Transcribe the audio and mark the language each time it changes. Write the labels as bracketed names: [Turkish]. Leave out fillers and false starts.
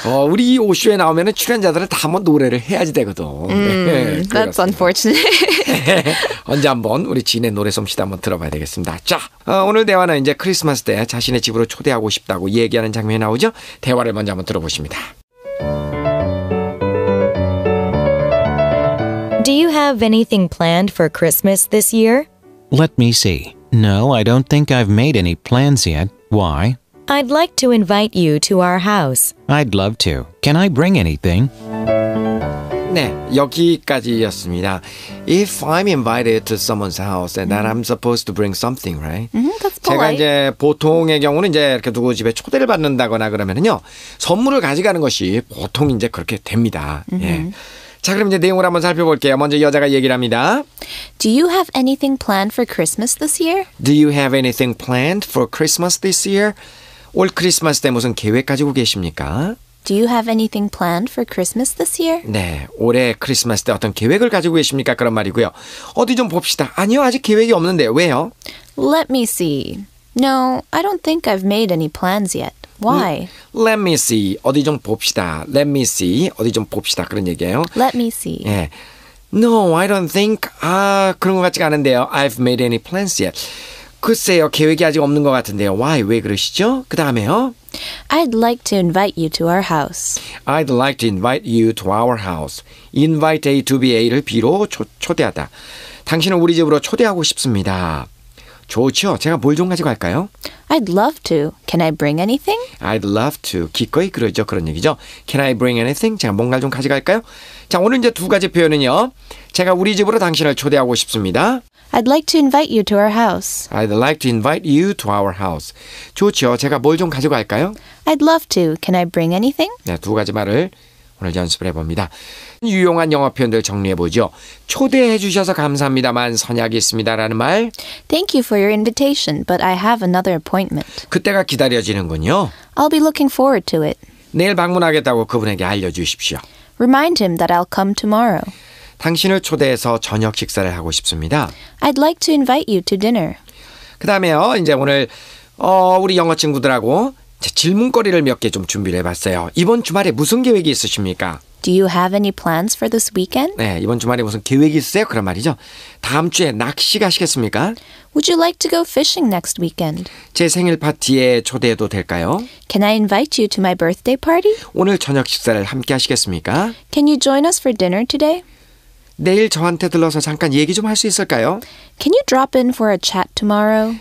[Korean] 우리 이 오쇼에 나오면 출연자들은 다 한번 노래를 해야지 되거든. [English] That's unfortunate. [Korean] 언제 한번 우리 진의 노래 솜씨도 한번 들어봐야 되겠습니다. 자, 오늘 대화는 이제 크리스마스 때 자신의 집으로 초대하고 싶다고 얘기하는 장면이 나오죠? 대화를 먼저 한번 들어보십니다. [English] Do you have anything planned for Christmas this year? Let me see. No, I don't think I've made any plans yet. Why? I'd like to invite you to our house. I'd love to. Can I bring anything? [Korean] 네, 여기까지였습니다. [English] If I'm invited to someone's house, then I'm supposed to bring something, right? That's polite. [Korean] 제가 이제 보통의 경우는 이제 이렇게 누구 집에 초대를 받는다거나 그러면은요, 선물을 가져가는 것이 보통 이제 그렇게 됩니다. 예. 자, 그럼 이제 내용을 한번 살펴볼게요. 먼저 여자가 얘기를 합니다. [English] Do you have anything planned for Christmas this year? Do you have anything planned for Christmas this year? [Korean] 올 크리스마스 때 무슨 계획 가지고 계십니까? [English] Do you have anything planned for Christmas this year? [Korean] 네, 올해 크리스마스 때 어떤 계획을 가지고 계십니까? 그런 말이고요. 어디 좀 봅시다. 아니요, 아직 계획이 없는데. 왜요? [English] Let me see. No, I don't think I've made any plans yet. Why? Let me see. [Korean] 어디 좀 봅시다. Let me see. 어디 좀 봅시다. 그런 얘기예요. [English] Let me see. 예. No, I don't think. [Korean] 아, 그런 것 같지가 않은데요. [English] I've made any plans yet. [Korean] 글쎄요. 계획이 아직 없는 것 같은데요. [English] Why? [Korean] 왜 그러시죠? 그 다음에요. [English] I'd like to invite you to our house. I'd like to invite you to our house. Invite A to be [Korean] A를 B로 초대하다. 당신을 우리 집으로 초대하고 싶습니다. 좋죠. 제가 뭘 좀 가지고 갈까요? [English] I'd love to. Can I bring anything? I'd love to. [Korean] 기꺼이 그러죠. 그런 얘기죠. [English] Can I bring anything? [Korean] 제가 뭔가를 좀 가져갈까요? 자, 오늘 이제 두 가지 표현은요. 제가 우리 집으로 당신을 초대하고 싶습니다. [English] I'd like to invite you to our house. I'd like to invite you to our house. [Korean] 좋죠. 제가 뭘 좀 가지고 갈까요? [English] I'd love to. Can I bring anything? [Korean] 네, 두 가지 말을 오늘 연습을 해봅니다. 유용한 영어 표현들 정리해보죠. 초대해 주셔서 감사합니다만 선약이 있습니다라는 말. [English] Thank you for your invitation, but I have another appointment. [Korean] 그때가 기다려지는군요. [English] I'll be looking forward to it. [Korean] 내일 방문하겠다고 그분에게 알려주십시오. [English] Remind him that I'll come tomorrow. [Korean] 당신을 초대해서 저녁 식사를 하고 싶습니다. [English] I'd like to invite you to dinner. [Korean] 그 다음에요, 이제 오늘 우리 영어 친구들하고 질문거리를 몇 개 좀 준비를 해봤어요. 이번 주말에 무슨 계획이 있으십니까? [English] Do you have any plans for this weekend? [Korean] 네, 이번 주말에 무슨 계획이 있으세요? 그런 말이죠. 다음 주에 낚시 가시겠습니까? [English] Would you like to go fishing next weekend? [Korean] 제 생일 파티에 초대해도 될까요? [English] Can I invite you to my birthday party? [Korean] 오늘 저녁 식사를 함께 하시겠습니까? [English] Can you join us for dinner today? [Korean] 내일 저한테 들러서 잠깐 얘기 좀 할 수 있을까요? [English] Can you drop in for a chat tomorrow?